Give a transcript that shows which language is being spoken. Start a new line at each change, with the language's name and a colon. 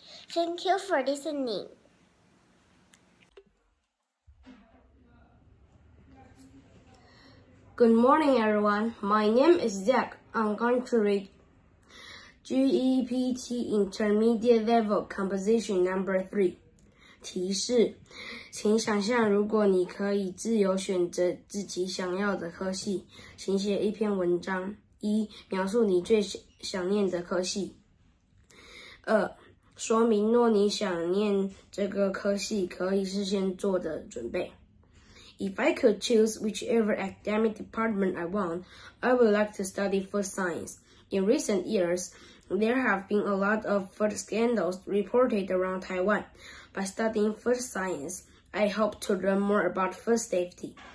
English: Thank you for listening. Good morning, everyone. My name is Zach. I'm going to read GEPT Intermediate Level Composition No. 3.
Chinese: 提示，请想象如果你可以自由选择自己想要的科系，请写一篇文章。一、描述你最想念的科系。二、说明若你想念这个科系，可以事先做的准备。
English: If I could choose whichever academic department I want, I would like to study food science. In recent years, there have been a lot of food scandals reported around Taiwan. By studying food science, I hope to learn more about food safety.